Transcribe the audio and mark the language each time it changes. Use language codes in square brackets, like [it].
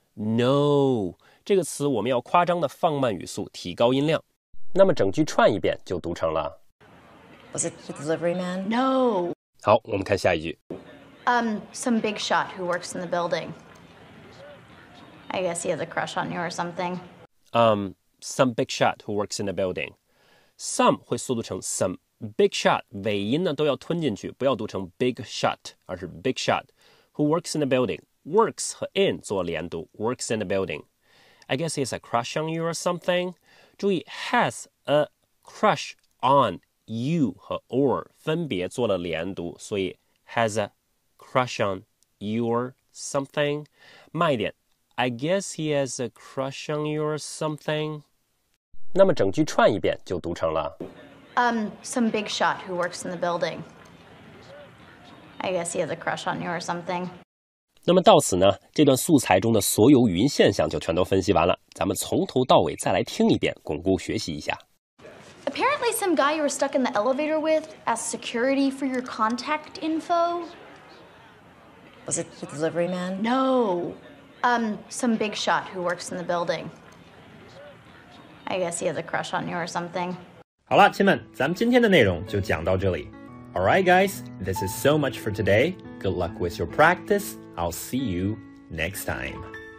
[zh] No， 这个词我们要夸张的放慢语速，提高音量。那么整句串一遍就读成了。 [en] Was it the delivery man? No. [zh] 好，我们看下一句。 [en] Some big shot who works in the building. I guess he has a crush on you or something. Some big shot who works in the building. Some 会缩读成 some. Big shot [zh] 尾音呢都要吞进去，不要读成 [en] big shot， 而是 big shot. Who works in the building? Works 和 in 做连读 ，works in the building. I guess he has a crush on you or something. 注意 has a crush on. You 和 or [zh] 分别做了连读，所以 [en] has a crush on your something. [zh] 慢一点 [en] ，I guess he has a crush on your something. [zh] 那么整句串一遍就读成了。 [en] Some big shot who works in the building. I guess he has a crush on your something. [zh] 那么到此呢，这段素材中的所有语音现象就全都分析完了。咱们从头到尾再来听一遍，巩固学习一下。 [en] Apparently, some guy you were stuck in the elevator with asked security for your contact info. Was it the delivery man? No. Some big shot who works in the building. I guess he has a crush on you or something. [zh] 好了，亲们，咱们今天的内容就讲到这里。 [en] All right, guys, this is so much for today. Good luck with your practice. I'll see you next time.